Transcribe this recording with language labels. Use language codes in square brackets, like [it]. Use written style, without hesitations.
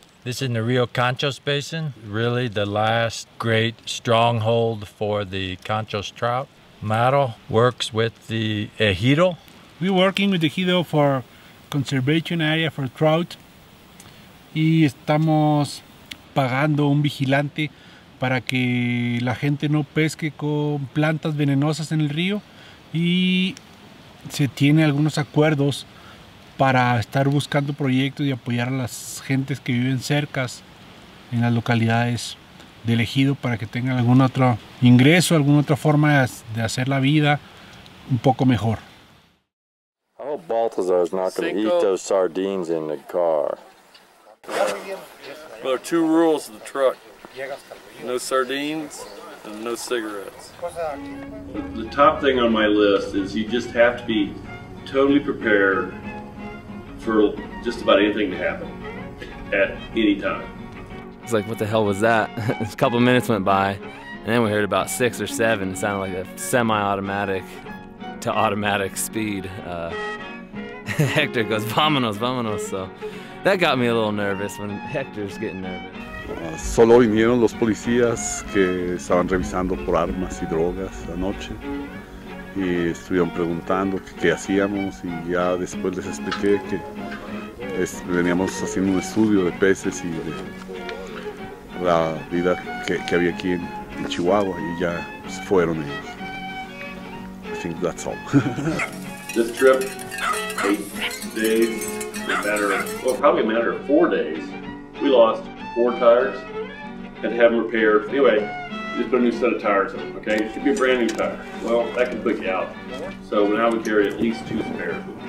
[en] This is in the Rio Conchos Basin, really the last great stronghold for the Conchos trout. Maro works with the ejido. We're working with the ejido for conservation area for trout [es] y estamos pagando un vigilante para que la gente no pesque con plantas venenosas en el río, y se tiene algunos acuerdos para estar buscando proyectos y apoyar a las gentes que viven cercas en las localidades del ejido para que tengan algún otro ingreso, alguna otra forma de hacer la vida un poco mejor. [en] Oh, Baltazar is not going to eat those sardines in the car. There are two rules of the truck. No sardines and no cigarettes. The top thing on my list is you just have to be totally prepared for just about anything to happen at any time. It's like, what the hell was that? A couple minutes went by, and then we heard about six or seven. It sounded like a semi-automatic to automatic speed. Hector goes, [es] vamonos, vamonos. [en] So that got me a little nervous when Hector's getting nervous. [es] Solo vinieron los policías que estaban revisando por armas y drogas anoche y estuvieron preguntando qué hacíamos, y ya después les expliqué que veníamos haciendo un estudio de peces y de la vida que había aquí en Chihuahua, y ya fueron ellos. [en] I think that's all. This trip, 8 days, probably a matter of 4 days, we lost 4 tires and have them repaired. Anyway, just put a new set of tires on, okay? It should be a brand new tire. Well, that could put you out. So now we carry at least 2 spares.